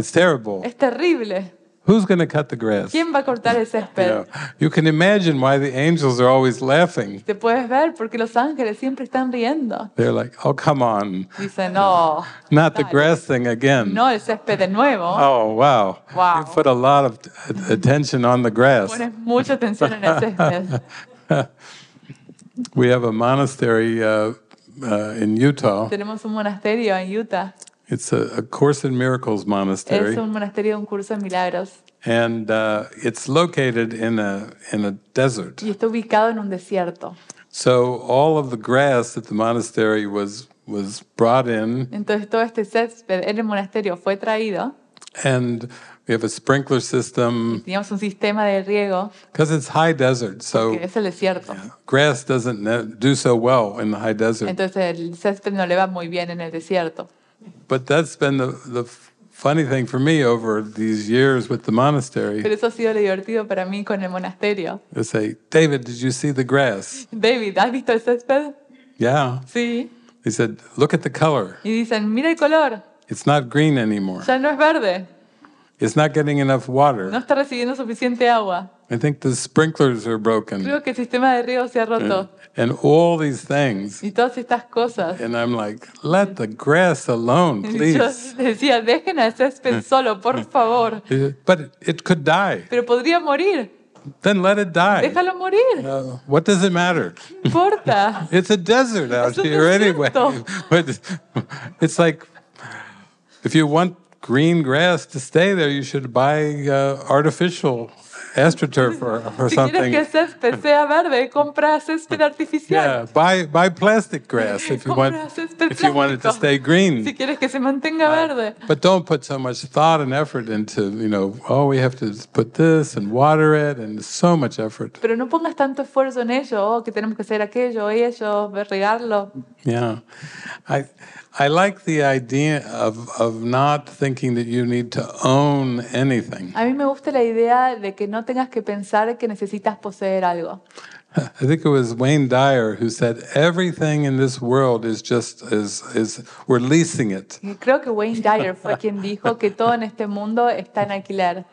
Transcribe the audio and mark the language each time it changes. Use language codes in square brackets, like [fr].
[en] It's terrible. [es] Es terrible. [en] Who's going to cut the grass? [es] ¿Quién va a cortar el césped? [en] You know, you can imagine why the angels are always laughing. [es] Te puedes ver porque los ángeles siempre están riendo. [en] They're like, oh, come on. [es] Dice, no. [en] Not the grass thing again. [es] No, el césped de nuevo. [en] Oh, wow. [es] Wow. [en] You put a lot of attention on the grass. [es] Pones mucha atención en el césped. [en] We have a monastery in Utah. [es] Tenemos un monasterio en Utah. [en] It's a Course in Miracles monastery. [es] Es un monasterio de un curso de milagros. [en] And it's located in a desert. [es] Y está ubicado en un desierto. [en] So all of the grass at the monastery was brought in. [es] Entonces todo este césped en el monasterio fue traído. [en] And we have a sprinkler system. [es] Teníamos un sistema de riego. [en] Because it's high desert, so [es] es el desierto. Yeah, [en] grass doesn't do so well in the high desert. [es] Entonces el césped no le va muy bien en el desierto. [en] But that's been the funny thing for me over these years with the monastery. [es] Pero eso ha sido lo divertido para mí con el monasterio. [en] They say, David, did you see the grass? [es] David, ¿has visto el césped? [en] Yeah. [es] Sí. [en] He said, look at the color. [es] Y dicen, mira el color. [en] It's not green anymore. [es] Ya no es verde. [en] It's not getting enough water. [es] No está recibiendo suficiente agua. [en] I think the sprinklers are broken. [es] Creo que el sistema de riego se ha roto. [en] And all these things. [es] Y todas estas cosas. [en] And I'm like, let the grass alone, please. [es] Yo decía, dejen al césped solo, por favor. [en] But it could die. [es] Pero podría morir. [en] Then let it die. [es] Déjalo morir. [en] What does it matter? [es] No importa. [en] It's a desert out here desierto. Anyway. But it's like, if you want green grass to stay there, you should buy artificial AstroTurf or [es] si [en] something. [es] Si quieres que césped sea verde, compra césped artificial. [en] Yeah, buy plastic grass if you want it to stay green. [es] Si quieres que se mantenga verde. [en] But don't put so much thought and effort into, you know, oh, we have to put this and water it and so much effort. [es] Pero no pongas tanto esfuerzo en ello, oh, que tenemos que hacer aquello, ello, regarlo. [en] Yeah, I like the idea of not thinking that you need to own anything. [es] A mí me gusta la idea de que no tengas que pensar que necesitas poseer algo. [en] I think it was Wayne Dyer who said everything in this world is just is we're leasing it. [es] Creo que Wayne Dyer fue quien dijo que todo en este mundo está en alquiler.